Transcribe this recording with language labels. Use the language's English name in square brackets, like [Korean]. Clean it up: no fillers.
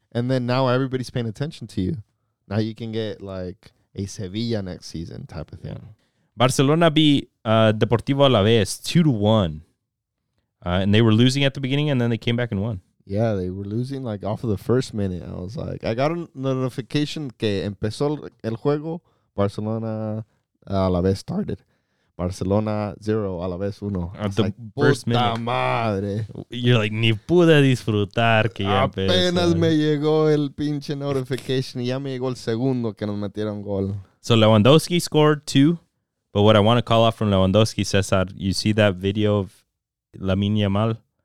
[English] And then now everybody's paying attention to you. Now you can get, like, a Sevilla next season type of thing. Yeah. Barcelona beat Deportivo Alaves 2-1. And they were losing at the beginning, and then they came back and won. Yeah, they were losing, like, off of the first minute. I was like, I got a notification [Spanish] que empezó el juego. [English] Barcelona Alaves started. Barcelona 0, Alaves 1. At the first minute. [Spanish] Puta madre. [English] You're like, [Spanish] ni pude disfrutar que ya empezó. Apenas me llegó el pinche notification. Y ya me llegó el segundo que nos metieron gol. [English] So Lewandowski scored 2. But what I want to call out from Lewandowski, Cesar, you see that video of Lamine Yamal?